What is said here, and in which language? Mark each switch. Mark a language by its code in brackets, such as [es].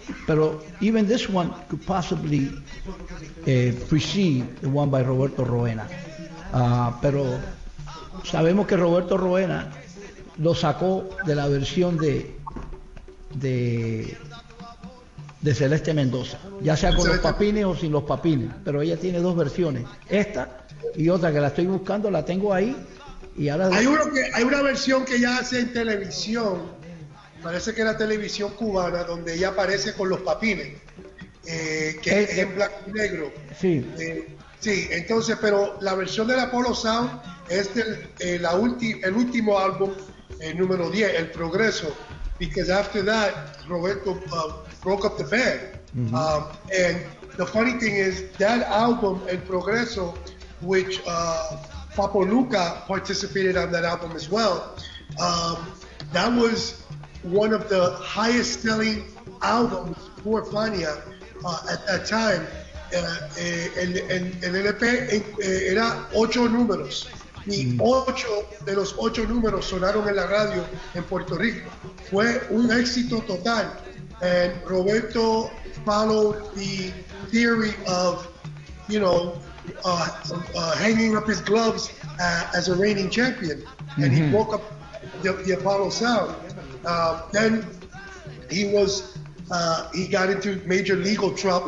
[en] But even this one could possibly precede the one by Roberto Roena. [es] Pero sabemos que Roberto Roena lo sacó de la versión de Celeste Mendoza, ya sea con Los Papines o sin Los Papines. Pero ella tiene dos versiones, esta y otra que la estoy buscando, la tengo ahí. Y ahora hay una versión que ella hace en televisión. Parece que era televisión cubana, donde ella aparece con Los Papines, que es en blanco y negro. Sí. Sí, entonces, pero la versión del Apollo Sound es el último álbum, el número 10, El Progreso, [en] because after that, Roberto broke up the band. [es] Mm-hmm. [en] And the funny thing is, that album, El Progreso, which Papo Luca participated on that album as well, that was one of the highest selling albums for Fania at that time. [es] El LP era 8 números, y 8 de los 8 números sonaron en la radio en Puerto Rico. Fue un éxito total. [en] And Roberto followed the theory of, you know, hanging up his gloves as a reigning champion. and he broke up the Apollo Sound. Then he was he got into major legal trouble.